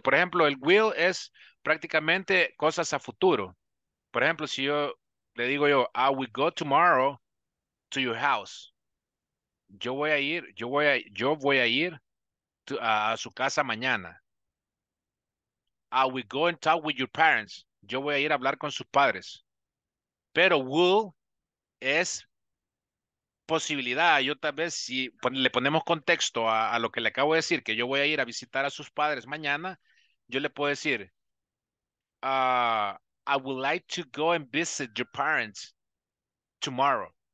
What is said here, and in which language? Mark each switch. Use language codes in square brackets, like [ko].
[es] Por ejemplo, el will es prácticamente cosas a futuro. Por ejemplo, si yo le digo yo, [en] I will go tomorrow to your house. [es] Yo voy a ir a su casa mañana. [en] I will go and talk with your parents. [es] Yo voy a ir a hablar con sus padres. Pero will es posibilidad, yo tal vez si le ponemos contexto a lo que le acabo de decir, que yo voy a ir a visitar a sus padres mañana, yo le puedo decir, [en] I would like to go and visit your parents tomorrow.